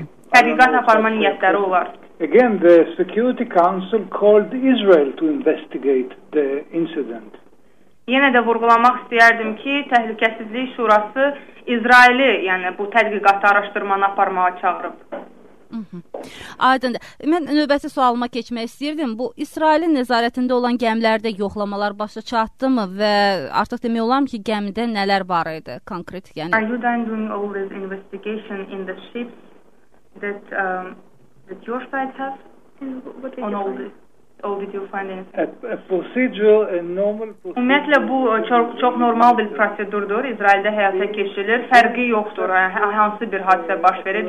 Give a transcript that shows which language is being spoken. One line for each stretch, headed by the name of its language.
Azerbaijani: Tədqiqat aparma niyyətləri olar.
English: Again, the Security Council called Israel to investigate the incident.
Azerbaijani: Yenə də vurğulamaq istəyərdim ki, Təhlükəsizlik Şurası İsraili, yəni bu tədqiqatı araşdırmanı aparmağa çağırıb. Aydındır. Mən növbəti sualıma keçmək istəyirdim. Bu İsrailin nəzarətində olan gəmilərdə yoxlamalar başa çatdı mı və artıq demək olar mı ki, gəmidə nələr var idi konkret? Yəni?
English: Are you then doing all this investigation in the ships that your side has? On all this?
Azerbaijani: Ümumiyyətlə, bu çox normal bir prosedurdur. İsraildə həyata keçirilir. Fərqi yoxdur, hansı bir hadisə baş verir.